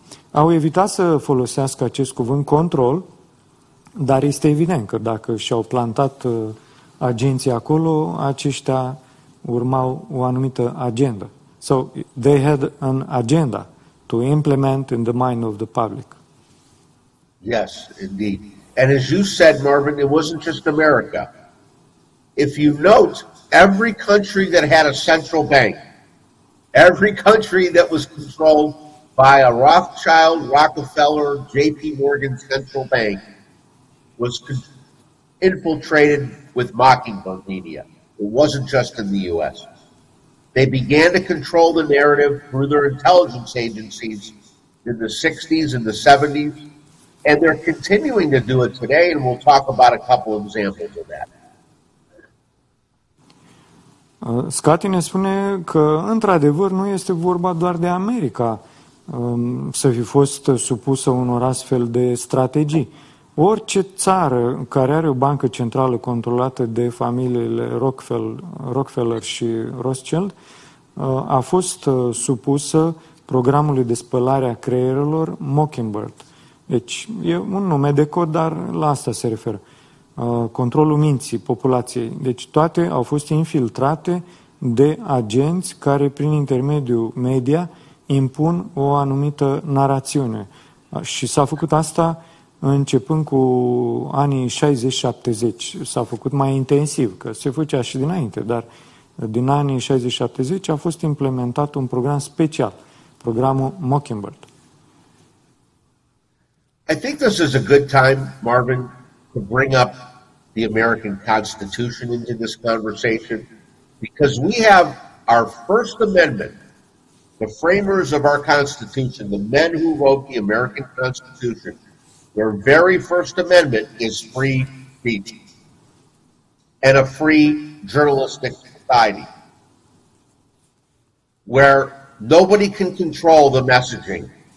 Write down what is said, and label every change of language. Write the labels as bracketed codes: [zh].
[ro] Au evitat să folosească acest cuvânt control, dar este evident că dacă și-au plantat agenții acolo, aceștia urmau o anumită agendă. [en] So, they had an agenda to implement in the mind of the public. Yes, indeed. And as you said, Marvin, it wasn't just America. If you note, every country that had a central bank, every country that was controlled by a Rothschild, Rockefeller, J.P. Morgan central bank was infiltrated with Mockingbird media. It wasn't just in the U.S. They began to control the narrative through their intelligence agencies in the 60s and the 70s. And they're continuing to do it today, and we'll talk about a couple of examples of that. [ro] Scati ne spune că, într-adevăr, nu este vorba doar de America să fi fost supusă unor astfel de strategii. Orice țară care are o bancă centrală controlată de familiile Rockefeller și Rothschild a fost supusă programului de spălare a creierelor Mockingbird. Deci, e un nume de cod, dar la asta se referă. Controlul minții populației. Deci, toate au fost infiltrate de agenți care, prin intermediul media, impun o anumită narațiune. Și s-a făcut asta începând cu anii 60-70, s-a făcut mai intensiv, că se făcea și dinainte, dar din anii 60-70 a fost implementat un program special, programul Mockingbird. [en] I think this is a good time, Marvin, to bring up the American Constitution into this conversation, because we have our First Amendment. The framers of our Constitution, the men who wrote the American Constitution, their very First Amendment is free speech and a free journalistic society where nobody can control the messaging.